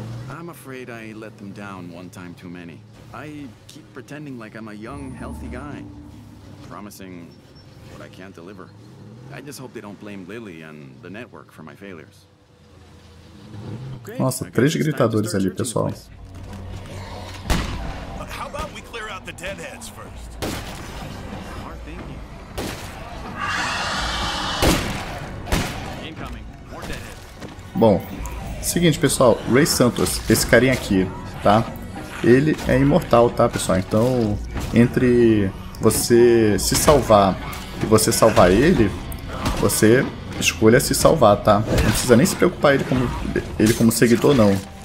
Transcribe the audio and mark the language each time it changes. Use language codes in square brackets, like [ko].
[en] I'm afraid I let them down one time too many. I keep pretending like I'm a young, healthy guy, promising what I can't deliver. I just hope they don't blame Lily and the network for my failures. [pt] Nossa, três gritadores ali, pessoal. [en] How about we clear out the deadheads first? Smart thinking. Incoming, more deadheads. [pt] Bom. Seguinte, pessoal, Ray Santos, esse carinha aqui, tá? Ele é imortal, tá, pessoal? Então, entre você se salvar e você salvar ele, você escolha se salvar, tá? Não precisa nem se preocupar ele como seguidor, não.